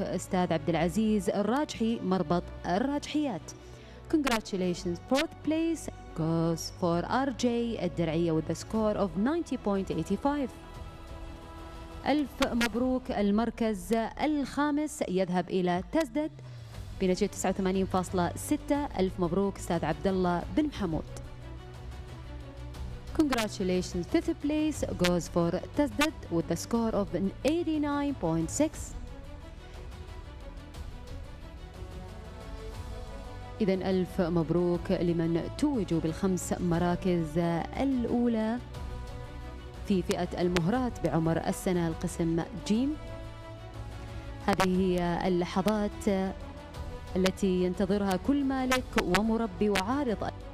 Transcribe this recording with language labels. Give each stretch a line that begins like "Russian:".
Arabic: أستاذ عبد العزيز الراجحي مربط الراجحيات.
English: Congratulations fourth place goes for R G الدرعية with a score of 90.85.
Arabic: ألف مبروك. المركز الخامس يذهب إلى تزدد بنتيجة 89.6، ألف مبروك أستاذ عبد الله بن محمود.
English: Congratulations, fifth place goes for Tazdad with a score of 89.6.
Arabic: إذن ألف مبروك لمن توجوا بالخمس مراكز الأولى في فئة المهرات بعمر السنة القسم جيم. هذه هي اللحظات التي ينتظرها كل مالك ومربي وعارض.